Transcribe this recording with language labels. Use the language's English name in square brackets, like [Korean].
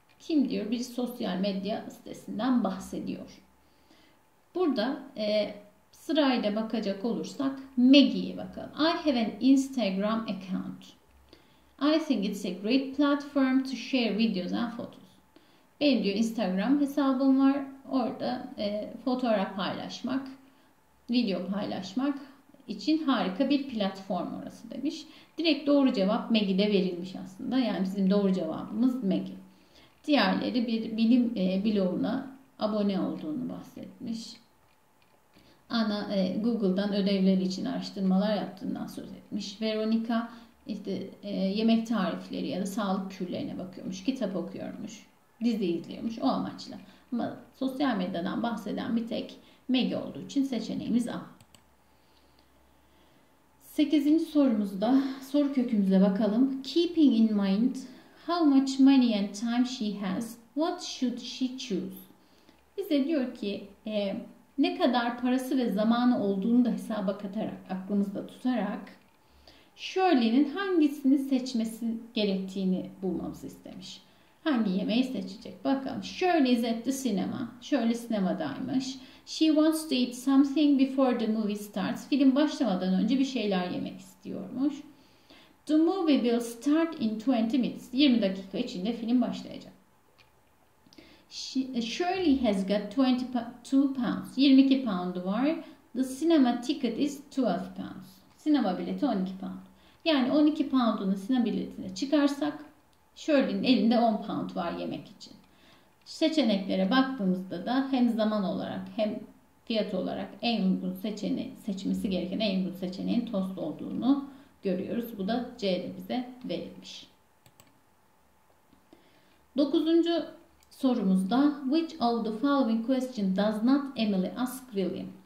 [Turkish] Kim diyor bir sosyal medya sitesinden bahsediyor. Burada sırayla bakacak olursak Maggie'ye bakalım. [English] I have an Instagram account. I think it's a great platform to share videos and photos. [Turkish] Benim diyor Instagram hesabım var. Orada fotoğraf paylaşmak, video paylaşmak için harika bir platform orası demiş. Direkt doğru cevap Maggie'de verilmiş aslında. Yani bizim doğru cevabımız Maggie. Diğerleri bir bilim bloğuna abone olduğunu bahsetmiş. Ana Google'dan ödevleri için araştırmalar yaptığından söz etmiş. Veronica işte yemek tarifleri ya da sağlık kürlerine bakıyormuş, kitap okuyormuş, dizi izliyormuş o amaçla. Ama sosyal medyadan bahseden bir tek Maggie olduğu için seçeneğimiz A. Sekizinci sorumuzu da soru kökümüze bakalım. [English] Keeping in mind how much money and time she has, what should she choose? [Turkish] Bize diyor ki ne kadar parası ve zamanı olduğunu da hesaba katarak, aklımızda tutarak Shirley'nin hangisini seçmesi gerektiğini bulmamızı istemiş. Hangi yemeği seçecek bakalım. [English] Shirley is at the cinema. [Turkish] Shirley sinemadaymış. [English] She wants to eat something before the movie starts. [Turkish] Film başlamadan önce bir şeyler yemek istiyormuş. [English] The movie will start in 20 minutes. [Turkish] 20 dakika içinde film başlayacak. [English] Shirley has got 22 pounds. [Turkish] 22 pound var. [English] The cinema ticket is 12 pounds. [Turkish] Sinema bileti 12 pound. Yani 12 pound'unu sinema biletine çıkarsak Shirley'nin elinde 10 pound var yemek için. Seçeneklere baktığımızda da hem zaman olarak hem fiyat olarak en uygun seçeneği seçmesi gereken en uygun seçeneğin tost olduğunu görüyoruz. Bu da C'de bize verilmiş. Dokuzuncu sorumuzda [English] Which of the following question does not Emily ask William?